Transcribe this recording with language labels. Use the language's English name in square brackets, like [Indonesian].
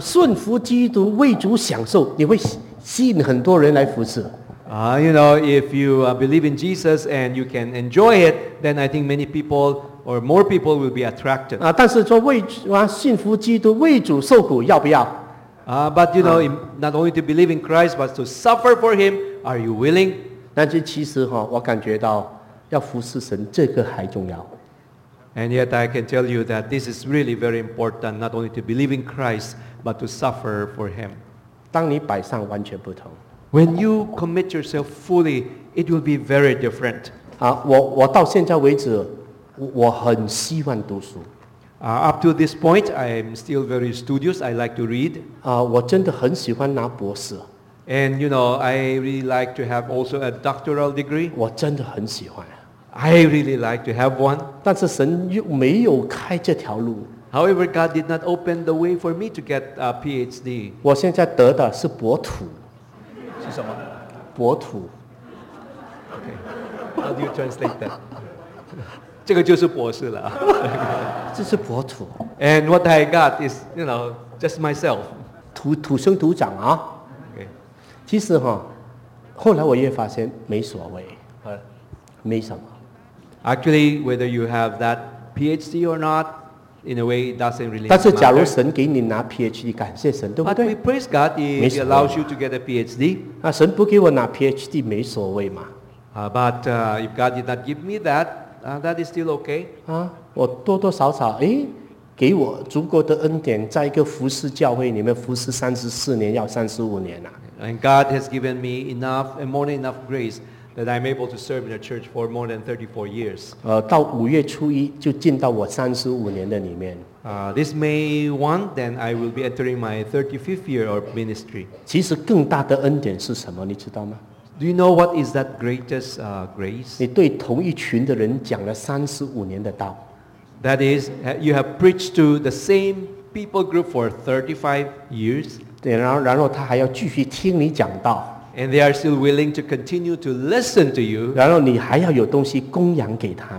[Chinese] 顺服基督，为主享受，你会吸引很多人来服侍。 [English] You know, if you believe in Jesus and you can enjoy it, then I think many people or more people will be attracted. [Chinese] 但是说为信服基督为主受苦要不要 [English] But you know, not only to believe in Christ, but to suffer for him, are you willing? [Chinese] 但是其实我感觉到要服侍神这个还重要。 [English] And yet I can tell you that this is really very important, not only to believe in Christ, but to suffer for Him. [Chinese] 当你摆上完全不同。 [English] When you commit yourself fully, it will be very different. [Chinese] 我到现在为止，我很喜欢读书。 [English] Up to this point, I'm still very studious. I like to read. [Chinese] 我真的很喜欢拿博士。 [English] And you know, I really like to have also a doctoral degree. [Chinese] 我真的很喜欢。 [English] I really like to have one. [Chinese] 但是神又没有开这条路。 [English] However, God did not open the way for me to get a PhD. [Chinese] 我现在得的是博土。是什么？博土。 [English] Okay. How do you translate that? [Chinese] 这个就是博士了。这是博土。 [English] And what I got is, you know, just myself. [Chinese] 土生土长啊。其实哈，后来我也发现没所谓，没什么。 [English] Actually, whether you have that PhD or not, in a way, it doesn't really matter. [Chinese] 但是假如神给你拿 PhD， 感谢神，对不对 [English] ？But we praise God if He allows you to get a PhD. [Chinese] 那神不给我拿 PhD， 没所谓嘛。 [English] But if God did not give me that, that is still okay. [Chinese] 我多多少少给我足够的恩典，在一个服事教会里面服事34年，要35年呐。 [English] And God has given me enough and more than enough grace that I'm able to serve in a church for more than 34 years. [Chinese] 到五月初一就进到我35年的里面。 [English] This May 1, then I will be entering my 35th year of ministry. [Chinese] 其实更大的恩典是什么，你知道吗？ [English] Do you know what is that greatest grace? [Chinese] 你对同一群的人讲了35年的道。 [English] That is, you have preached to the same people group for 35 years. [Chinese] 然后他还要继续听你讲道。 [English] And they are still willing to continue to listen to you. [Chinese] 然后你还要有东西供养给他。